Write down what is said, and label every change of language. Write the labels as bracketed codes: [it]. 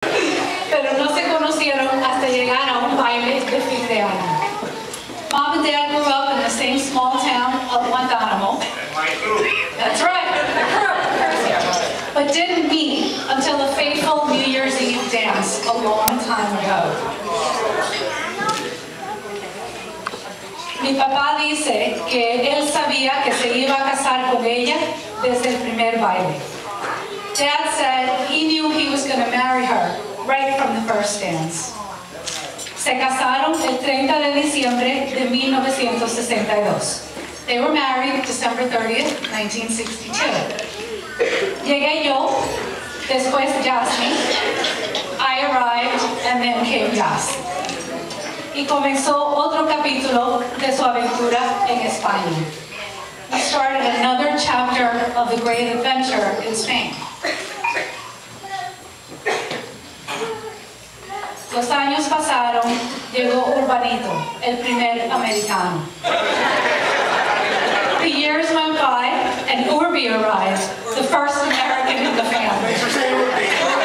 [es] pero no se conocieron hasta llegar a un baile de fin de año. [en] Mom and Dad grew up in the same small town of Guantanamo. That's right. But didn't meet until the fateful New Year's Eve dance a long time ago. [es] Mi papá dice que él sabía que se iba a casar con ella desde el primer baile. [en] Dad said he knew he was going to marry her right from the first dance. [es] Se casaron el 30 de diciembre de 1962. [en] They were married December 30th, 1962. [es] Llegué yo, después Jasmine. [en] I arrived, and then came Jasmine. [es] Y comenzó otro capítulo de su aventura en España. [en] He started another chapter of the great adventure in Spain. [es] Los años pasaron, llegó Urbanito, el primer americano. [en] The years went by, and Urbi arrived, the first American in the family.